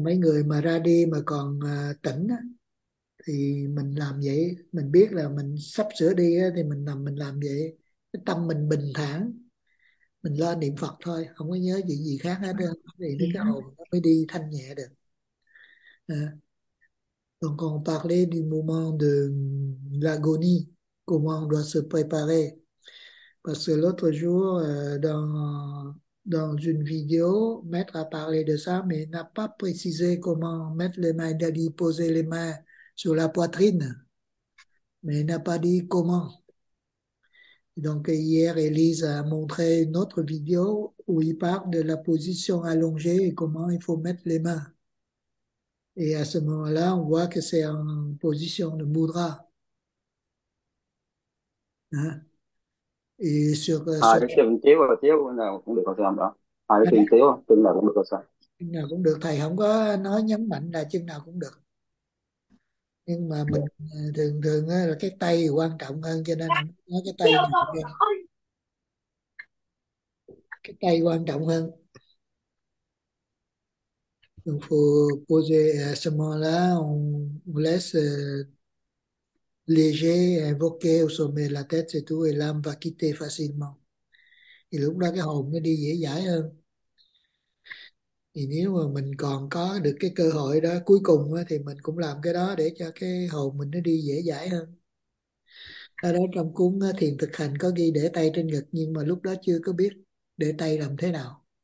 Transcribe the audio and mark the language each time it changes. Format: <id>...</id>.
<vi>Mấy người mà ra đi mà còn tỉnh á, thì mình làm vậy, mình biết là mình sắp sửa đi á, thì mình làm vậy, cái tâm mình bình thản, mình lo niệm Phật thôi, không có nhớ chuyện gì khác hết đó, thì nó cái hồn nó mới đi thanh nhẹ được. Còn còn</vi> <fr>parler du moment de l'agonie, comment on doit se préparer. Parce que l'autre jour, dans une vidéo, maître a parlé de ça, mais n'a pas précisé comment mettre les mains, il a dit poser les mains sur la poitrine, mais il n'a pas dit comment. Donc hier, Élise a montré une autre vidéo où il parle de la position allongée et comment il faut mettre les mains. Et à ce moment-là, on voit que c'est en position de mudra. Hein? Et sur À, ce</fr> <vi>cái chuyện chiếu và chiếu nào cũng được có làm đó. À, cái anh chuyện chiếu chừng nào cũng được có. nào cũng được, thầy không có nói nhấn mạnh là chân nào cũng được, nhưng mà mình thường thường á, là cái tay quan trọng hơn, cho nên không nói cái tay nào cũng được, cái tay quan trọng hơn.</vi> <fr>Donc faut poser à ce moment-là, on laisse léger, invoquer au sommet de la tête, c'est tout, et l'âme va quitter facilement.</fr> <vi>Thì lúc đó cái hồn nó đi dễ dãi hơn. Thì nếu mà mình còn có được cái cơ hội đó cuối cùng đó, thì mình cũng làm cái đó để cho cái hồn mình nó đi dễ dãi hơn. Ở đó trong cuốn đó, thiền thực hành có ghi để tay trên ngực, nhưng mà lúc đó chưa có biết để tay làm thế nào.</vi>